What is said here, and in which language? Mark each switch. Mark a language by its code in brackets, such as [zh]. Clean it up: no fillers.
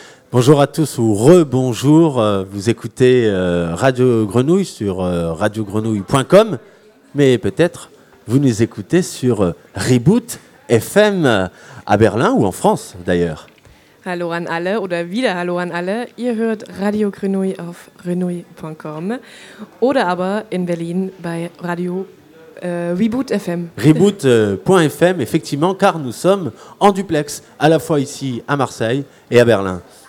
[fr] Bonjour à tous ou rebonjour, vous écoutez Radio Grenouille sur radiogrenouille.com, mais peut-être vous nous écoutez sur Reboot FM à Berlin ou en France d'ailleurs. [de] Hallo an alle oder wieder hallo an alle, ihr hört Radio Grenouille auf grenouille.com oder aber in Berlin bei Radio Reboot FM. [fr] Reboot.fm, effectivement, car nous sommes en duplex à la fois ici à Marseille et à Berlin.